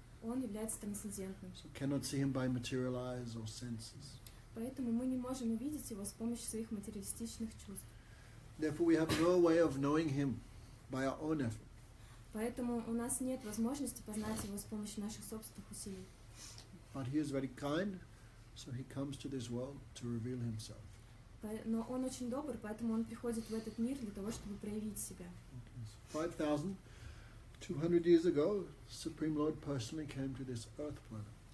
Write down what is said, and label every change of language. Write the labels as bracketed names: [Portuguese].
[Russian] Он является трансцендентным. [English] So cannot see him by material eyes or senses. [Russian] Поэтому мы не можем увидеть его с помощью своих материалистичных чувств. [English] Therefore, we have no way of knowing him by our own effort. [Russian] Поэтому у нас нет возможности познать его с помощью наших собственных усилий. [English] But he is very kind, so he comes to this world to reveal himself. [Russian] Но он очень добр, поэтому он приходит в этот мир для того, чтобы проявить себя. [English] 5,200 years ago, Supreme Lord personally came to this earth planet.